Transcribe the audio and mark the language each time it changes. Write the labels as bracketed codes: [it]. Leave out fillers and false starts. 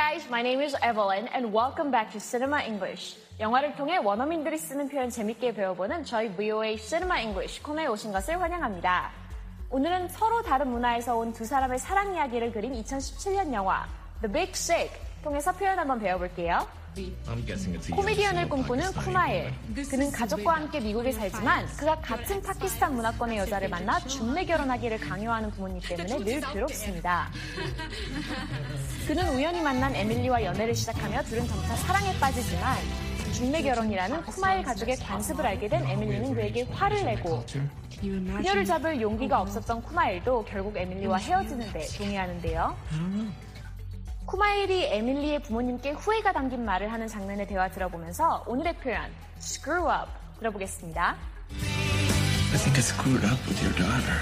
[en] My name is Evelyn and welcome back to Cinema English. [ko] 영화를 통해 원어민들이 쓰는 표현 재밌게 배워보는 저희 VOA Cinema English 코너에 오신 것을 환영합니다. 오늘은 서로 다른 문화에서 온 두 사람의 사랑 이야기를 그린 2017년 영화 The Big Sick 통해서 표현 한번 배워볼게요. 코미디언을 꿈꾸는 쿠마일. 그는 가족과 함께 미국에 살지만 그가 같은 파키스탄 문화권의 여자를 만나 중매 결혼하기를 강요하는 부모님 때문에 늘 괴롭습니다. 그는 우연히 만난 에밀리와 연애를 시작하며 둘은 점차 사랑에 빠지지만 중매 결혼이라는 쿠마일 가족의 관습을 알게 된 에밀리는 그에게 화를 내고 그녀를 잡을 용기가 없었던 쿠마일도 결국 에밀리와 헤어지는데 동의하는데요. 쿠마일이 에밀리의 부모님께 후회가 담긴 말을 하는 장면의 대화 들어보면서 오늘의 표현 screw up 들어보겠습니다. [en] I think I screwed up with your daughter.